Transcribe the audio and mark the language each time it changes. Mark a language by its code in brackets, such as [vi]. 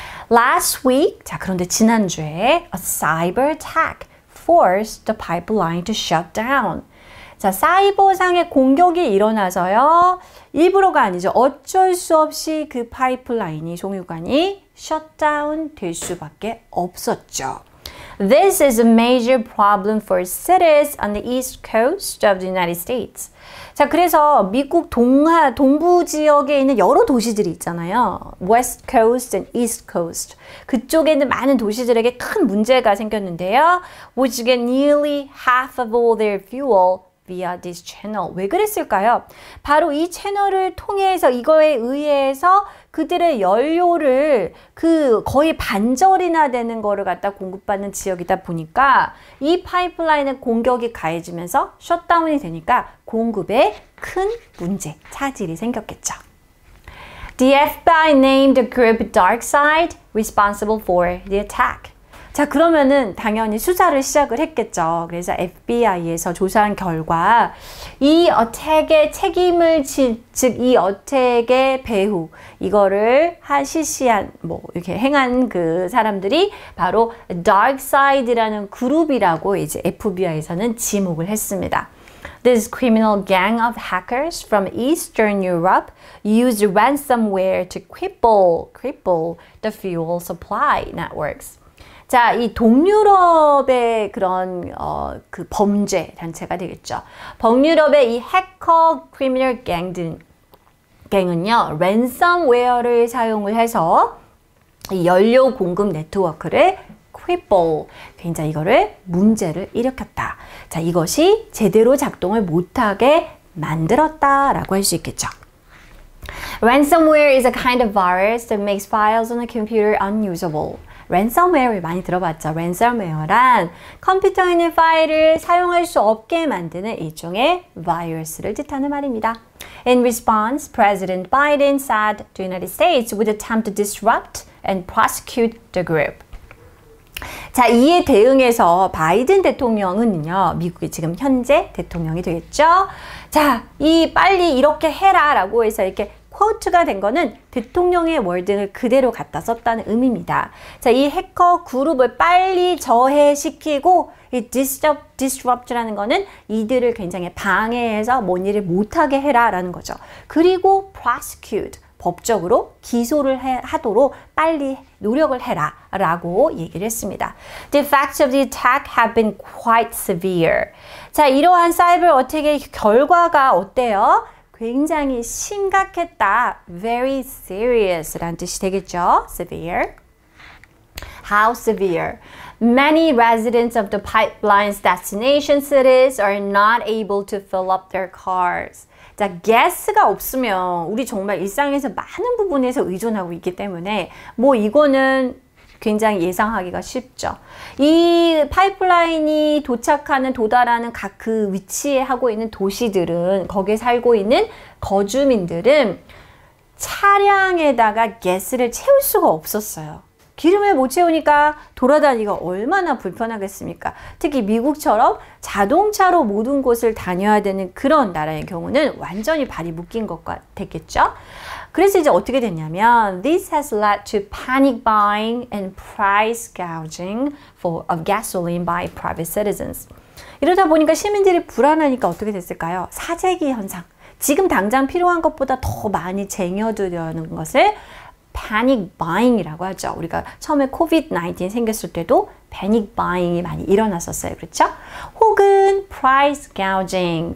[en] Last week, [ko] 자, 그런데 지난주에 [en] a cyber attack forced the pipeline to shut down. [ko] 자, 사이버상의 공격이 일어나서요. 일부러가 아니죠. 어쩔 수 없이 그 파이프라인이, 송유관이 셧다운 될 수밖에 없었죠. [en] This is a major problem for cities on the east coast of the United States. [ko] 자, 그래서 미국 동부 지역에 있는 여러 도시들이 있잖아요. [en] West coast and east coast. [ko] 그쪽에 있는 많은 도시들에게 큰 문제가 생겼는데요. [en] Which get nearly half of all their fuel via this channel. [ko] 왜 그랬을까요? 바로 이 채널을 통해서 이거에 의해서 그들의 연료를 그 거의 반절이나 되는 거를 갖다 공급받는 지역이다 보니까 이 파이프라인의 공격이 가해지면서 셧다운이 되니까 공급에 큰 문제, 차질이 생겼겠죠. [en] The FBI named the group Darkside responsible for the attack. [ko] 자, 그러면은 당연히 수사를 시작을 했겠죠. 그래서 FBI에서 조사한 결과 이 어택의 책임을 즉 이 어택의 배후 이거를 실시한 뭐 이렇게 행한 그 사람들이 바로 Darkside라는 그룹이라고 이제 FBI에서는 지목을 했습니다. [en] This criminal gang of hackers from Eastern Europe used ransomware to cripple the fuel supply networks. [ko] 자, 이 동유럽의 그런 그 범죄 단체가 되겠죠. 동유럽의 이 해커 크리미널 갱은요. 랜섬웨어를 사용을 해서 이 연료 공급 네트워크를 cripple. 굉장히 이거를 문제를 일으켰다. 자, 이것이 제대로 작동을 못 하게 만들었다라고 할 수 있겠죠. [en] Ransomware is a kind of virus that makes files on a computer unusable. [ko] Ransomware 많이 들어봤죠. Ransomware란 컴퓨터에 있는 파일을 사용할 수 없게 만드는 일종의 바이러스를 뜻하는 말입니다. [en] In response, President Biden said the United States would attempt to disrupt and prosecute the group. [ko] 자, 이에 대응해서 바이든 대통령은요, 미국의 지금 현재 대통령이 되겠죠. 자, 이 빨리 이렇게 해라 라고 해서 이렇게 코트가 된 거는 대통령의 월등을 그대로 갖다 썼다는 의미입니다. 자, 이 해커 그룹을 빨리 저해시키고 이 disrupt라는 거는 이들을 굉장히 방해해서 뭔 일을 못하게 해라 라는 거죠. 그리고 prosecute, 법적으로 기소를 하도록 빨리 노력을 해라 라고 얘기를 했습니다. [en] The facts of the attack have been quite severe. [ko] 자, 이러한 사이버 어택의 결과가 어때요? 굉장히 심각했다. [en] Very serious [ko] 라는 뜻이 되겠죠. Severe. [en] How severe? Many residents of the pipeline's destination cities are not able to fill up their cars. [ko] 자, 가스가 없으면 우리 정말 일상에서 많은 부분에서 의존하고 있기 때문에 뭐 이거는 굉장히 예상하기가 쉽죠. 이 파이프라인이 도착하는, 도달하는 각 그 위치에 하고 있는 도시들은, 거기에 살고 있는 거주민들은 차량에다가 가스를 채울 수가 없었어요. 기름을 못 채우니까 돌아다니기가 얼마나 불편하겠습니까? 특히 미국처럼 자동차로 모든 곳을 다녀야 되는 그런 나라의 경우는 완전히 발이 묶인 것과 됐겠죠? 그래서 이제 어떻게 됐냐면 [en] This has led to panic buying and price gouging of gasoline by private citizens. [ko] 이러다 보니까 시민들이 불안하니까 어떻게 됐을까요? 사재기 현상. 지금 당장 필요한 것보다 더 많이 쟁여두려는 것을 panic buying이라고 하죠. 우리가 처음에 COVID-19 생겼을 때도 panic buying이 많이 일어났었어요. 그렇죠? 혹은 price gouging.